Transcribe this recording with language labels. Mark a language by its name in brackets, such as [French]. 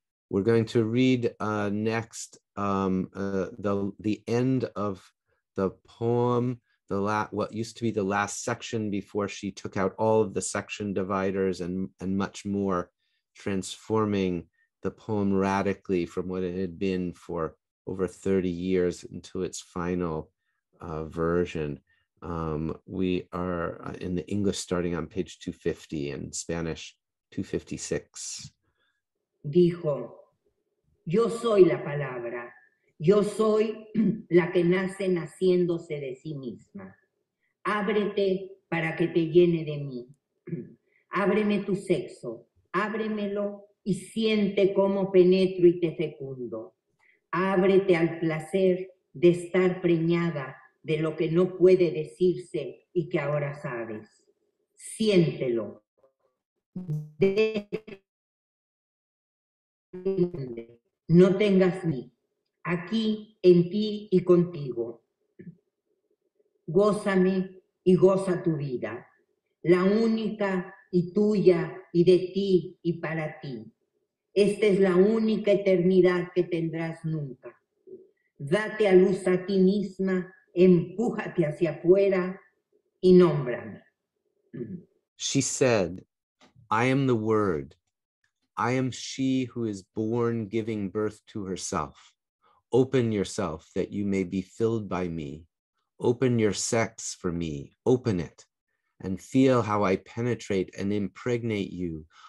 [English] We're going to read next the end of the poem, what used to be the last section before she took out all of the section dividers and much more, transforming the poem radically from what it had been for over 30 years into its final version. We are in the English starting on page 250 and Spanish 256. [Spanish] Dijo, yo soy la palabra. Yo soy la que nace naciéndose de sí misma. Ábrete para que te llene de mí. Ábreme tu sexo, ábremelo y siente cómo penetro y te fecundo. Ábrete al placer de estar preñada de lo que no puede decirse y que ahora sabes. Siéntelo. No tengas miedo. Aquí, en ti y contigo. Gózame y goza tu vida. La única y tuya y de ti y para ti. Esta es la única eternidad que tendrás nunca. Date a luz a ti misma, empújate hacia afuera y nómbrame. [English] She said, I am the word. I am she who is born giving birth to herself. Open yourself that you may be filled by me. Open your sex for me. Open it and feel how I penetrate and impregnate you.